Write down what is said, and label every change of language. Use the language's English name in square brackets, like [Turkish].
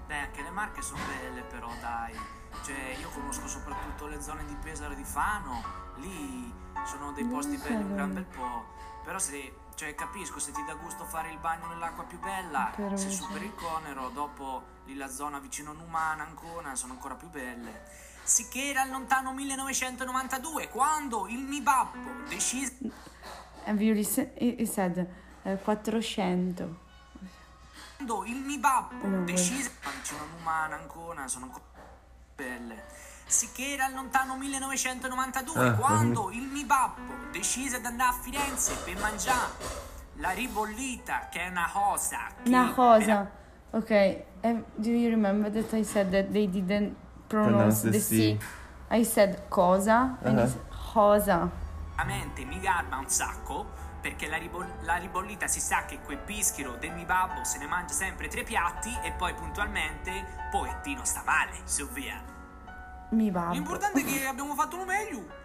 [Italian] Beh, anche le Marche sono belle però, dai, cioè io conosco soprattutto le zone di Pesaro e di Fano, lì sono dei posti belli un gran bel po', però se... Cioè, capisco, se ti dà gusto fare il bagno nell'acqua più bella, se superi il Conero, dopo lì la zona vicino a Numana, Ancona, sono ancora più belle. Sicché era il lontano 1992, quando il mio babbo decise... [English] Have you listened? He said 400. [Italian] Quando il mio babbo decise... Vicino a Numana, Ancona, sono ancora più belle. Sicché era il lontano 1992, quando il mio babbo decise di andare a Firenze per mangiare la ribollita, che è una cosa. Una cosa. Ok. [English] Do you remember that I said that they didn't pronounce the C? I said cosa, and it's cosa. [Italian] Veramente mi garba un sacco, perché la ribollita si sa che quel pischero del mio babbo se ne mangia sempre tre piatti e poi puntualmente poettino sta male, su via. Mi babbo. L'importante è che abbiamo fatto lo meglio.